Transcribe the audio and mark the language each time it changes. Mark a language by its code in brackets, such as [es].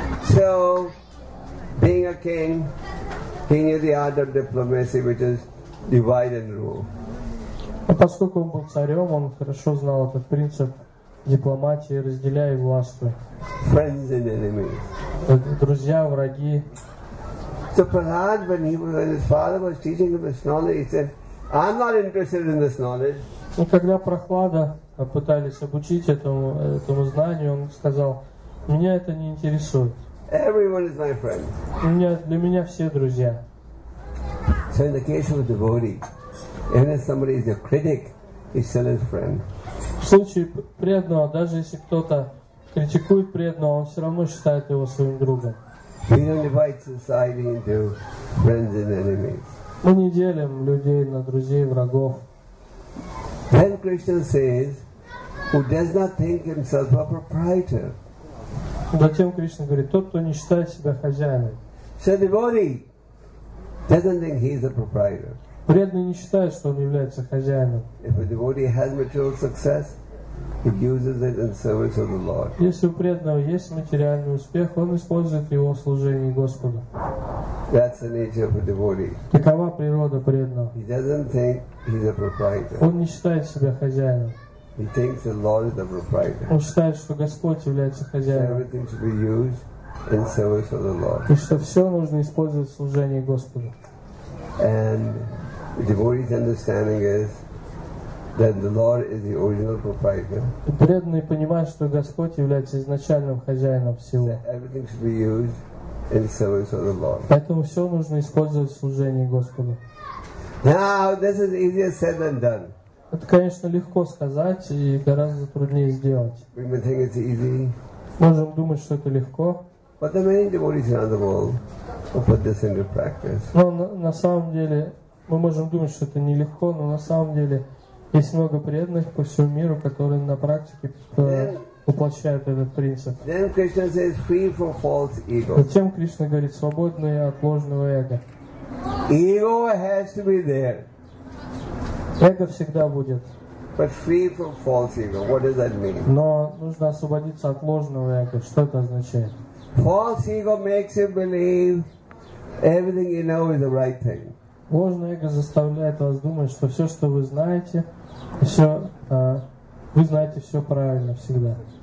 [en] So, being a king, he knew the art of diplomacy, which is divide and rule. [ru] А поскольку он был царем, он хорошо знал этот принцип дипломатии, разделяй и властвуй. [en] Friends and enemies. [ru] Друзья, враги. [en] So Prahlad, when his father was teaching him this knowledge, he said, "I'm not interested in this knowledge." [ru] Но когда Прохлада пытались обучить этому знанию, он сказал, меня это не интересует. [en] Everyone is my friend. [ru] Для меня все друзья. [en] So in the case of a devotee, even if somebody is a critic, he's still his friend. [ru] В случае преданного, даже если кто-то критикует преданного, он все равно считает его своим другом. [en] We don't divide society into friends and enemies. [ru] Мы не делим людей на друзей и врагов. [en] Then Krishna says, who does not think himself a proprietor. [ru] Затем Кришна говорит, тот, кто не считает себя хозяином. [en] So devotee doesn't think he is a proprietor. [ru] Преданный не считает, что он является хозяином. [en] If a devotee has material success, he uses it in service of the Lord. [ru] Если у преданного есть материальный успех, он использует его в служении Господу. [en] That's the nature of a devotee. [ru] Такова природа преданного. [en] He doesn't think he's a proprietor. [ru] Он не считает себя хозяином. [en] He thinks the Lord is the proprietor. [ru] Он считает, что Господь является хозяином. [en] So everything should be used in service of the Lord. [ru] И что все нужно использовать в служении Господу. [en] And the devotee's understanding is that the Lord is the original proprietor. [ru] Преданный понимает, что Господь является изначальным хозяином всего. [en] So everything should be used in service of the Lord. [ru] Поэтому все нужно использовать в служении Господу. [en] Now this is easier said than done. [ru] Это, конечно, легко сказать и гораздо труднее сделать. [en] We may think it's easy. [ru] Можем думать, что это легко. [en] But there are many devotees around the world who put this into practice. [ru] Но на самом деле мы можем думать, что это нелегко, но на самом деле есть много преданных по всему миру, которые на практике воплощают этот принцип. [en] Then Krishna says, free from false ego. [ru] Затем Кришна говорит, свободные от ложного эго. [en] Ego has to be there. [ru] Эго всегда будет. [en] But free from false ego. What does that mean? [ru] Но нужно освободиться от ложного эго. Что это означает? [en] False ego makes you believe everything you know is the right thing. [ru] Ложное эго заставляет вас думать, что все, что вы знаете, все Вы знаете все правильно всегда.